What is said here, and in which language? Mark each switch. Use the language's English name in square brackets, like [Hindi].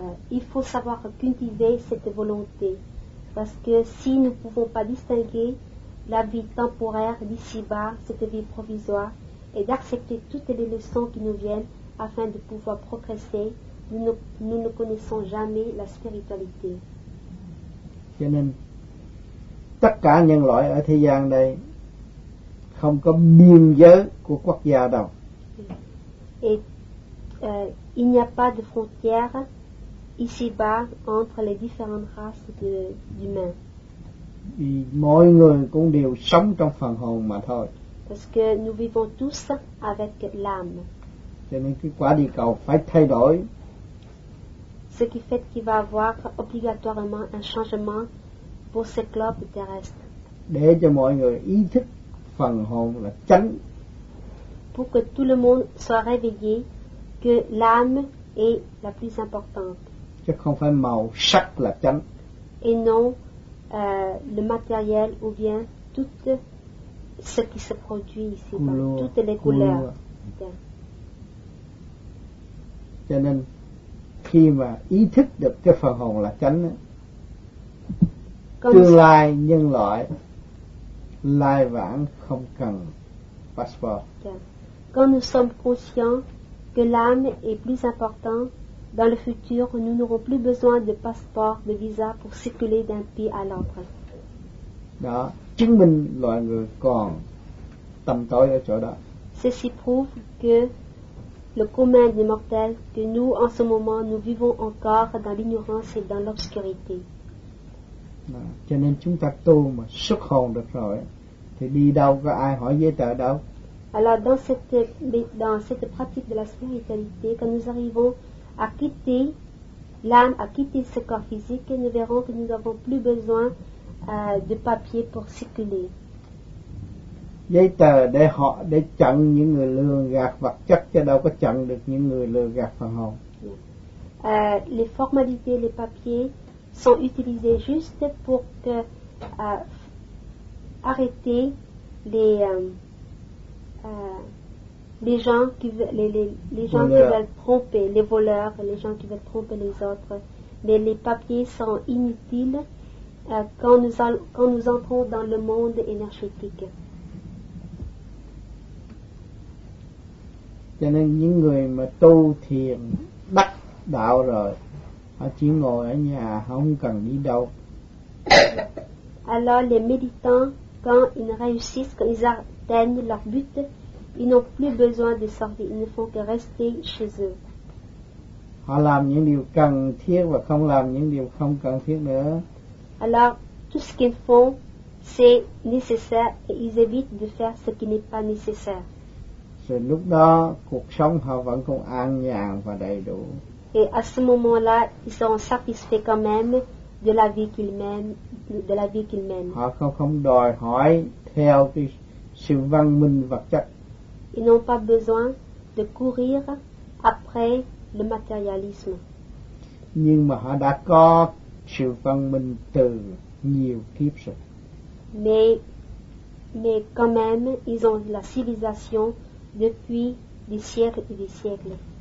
[French] Il faut savoir cultiver cette volonté parce que si nous ne pouvons pas distinguer la vie temporaire d'ici-bas, cette vie provisoire, et d'accepter toutes les leçons qui nous viennent afin de pouvoir progresser, nous ne connaissons jamais la spiritualité. [Vietnamese] Tất cả nhân loại ở thế gian đây không có biên giới của quốc gia đâu. [French] Et il n'y a pas de frontière ici-bas entre les différentes races d'humains. [Vietnamese] Mọi người cũng đều sống trong phần hồn mà thôi. [French] Parce que nous vivons tous avec l'âme. [Vietnamese] Cho nên cái quả địa cầu phải thay đổi. [French] Ce qui fait qu'il va avoir obligatoirement un changement pour ce globe terrestre. [Vietnamese] Để cho mọi người ý thức phần hồn là chánh. [French] Pour que tout le monde soit réveillé que l'âme est la plus importante. [Vietnamese] Chứ không phải màu sắc là chánh. [French] Et non le matériel ou bien tout ce qui se produit ici, toutes les couleurs. [Vietnamese] Cho nên khi mà ý thức được cái phần hồn là chánh á, tương lai nhân loại lai vãng không cần passport. [French] Quand nous sommes conscients que l'âme est plus important, dans le futur nous n'aurons plus besoin de passeport, de visa pour circuler d'un pays à l'autre. [Vietnamese] Đó, chứng minh loài người còn tâm tối ở chỗ đó. [French] Ceci prouve que le commun des mortels, que nous en ce moment nous vivons encore dans l'ignorance et dans l'obscurité. [Vietnamese] Đó. Cho nên chúng ta tu mà xuất hồn được rồi thì đi đâu có ai hỏi giấy tờ đâu. [French] Alors dans cette pratique de la spiritualité, quand nous arrivons à quitter l'âme, à quitter ce corps physique, nous verrons que nous n'avons plus besoin de papier pour circuler. [Vietnamese] Giấy tờ để họ để chặn những người lừa gạt vật chất chứ đâu có chặn được những người lừa gạt phần hồn. [French] Les formalités, les papiers sont utilisés juste pour que, arrêter les les gens qui veulent tromper, les voleurs, les gens qui veulent tromper les autres. Mais les papiers sont inutiles quand nous entrons dans le monde énergétique. [Vietnamese] Cho nên những người mà tu thiền đắc đạo rồi, họ chỉ ngồi ở nhà, họ không cần đi đâu. [French] Alors les méditants, quand ils réussissent, quand ils atteignent leur but, ils n'ont plus besoin de sortir, ils ne font que rester chez eux. [Vietnamese] Họ làm những điều cần thiết và không làm những điều không cần thiết nữa. [French] Alors tout ce qu'ils font, c'est nécessaire et ils évitent de faire ce qui n'est pas nécessaire. [Vietnamese] Rồi lúc đó cuộc sống họ vẫn còn an nhàn và đầy đủ. [French] Et à ce moment-là, ils sont satisfaits quand même de la vie qu'ils mènent, de la vie qu'ils mènent. [Vietnamese] Họ không đòi hỏi theo cái sự văn minh vật chất. [French] Ils n'ont pas besoin de courir après le matérialisme. [Vietnamese] Nhưng mà họ đã có sự văn minh từ nhiều kiếp rồi. [French] Mais quand même, ils ont la civilisation depuis des siècles et des siècles.